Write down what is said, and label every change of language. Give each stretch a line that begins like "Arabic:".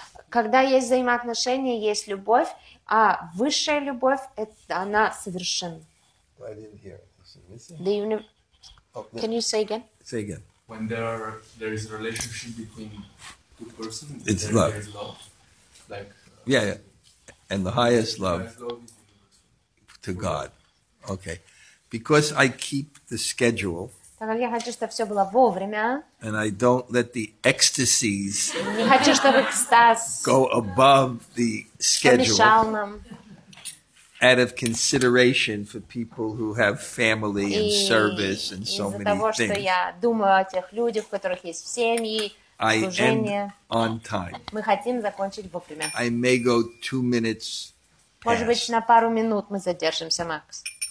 Russian: Когда есть взаимоотношения, есть любовь, а высшая любовь, это она совершенна.
English: I didn't hear. The universe. Can you say again? Say again. When there is a relationship between two persons, it's love. There is love. Like, yeah, yeah. And the highest love to God. Okay. Because I keep the schedule.
Russian: Так я хочу, чтобы все было вовремя.
English: And I don't let the ecstasies
Russian: хочу, чтобы экстаз
English: go above the schedule.
Russian: Что мешал нам.
English: Out of consideration for people who have family and service and so many
Russian: того, Из-за того, что я думаю о тех людях, у которых есть семьи, служение.
English: I end on time.
Russian: Мы хотим закончить вовремя.
English: I may go 2 minutes past.
Russian: Может быть, на пару минут мы задержимся, Макс.